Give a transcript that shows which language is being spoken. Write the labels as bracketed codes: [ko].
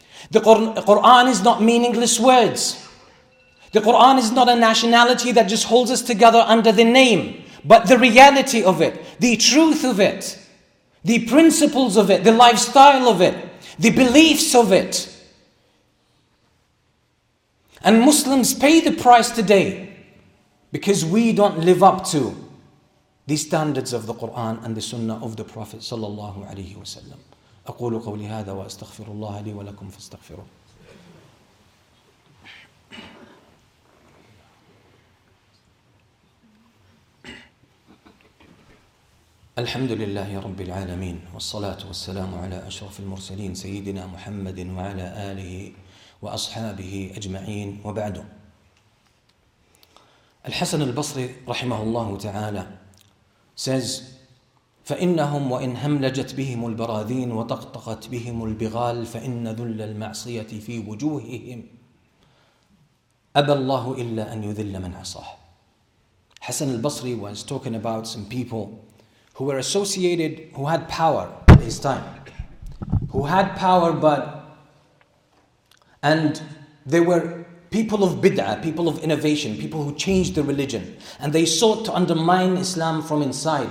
[en] The Quran is not meaningless words. The Quran is not a nationality that just holds us together under the name, but the reality of it, the truth of it, the principles of it, the lifestyle of it, the beliefs of it. And Muslims pay the price today because we don't live up to the standards of the Quran and the Sunnah of the Prophet sallallahu alaihi wasallam. [ar] أقول قولي هذا وأستغفر الله لي ولكم فاستغفروه. الحمد لله رب العالمين والصلاة والسلام على أشرف المرسلين سيدنا محمد وعلى آله وأصحابه أجمعين وبعد. الحسن البصري رحمه الله تعالى [en] says, [ar] فإنهم وإن هملجت بهم البراذين وتقطقت بهم البغال فإن ذل المعصية في وجوههم أبى الله إلا أن يذل من عصاه. [en] حسن البصري was talking about some people who were associated, who had power at his time, who had power, but and they were people of bid'ah, people of innovation, people who changed the religion, and they sought to undermine Islam from inside.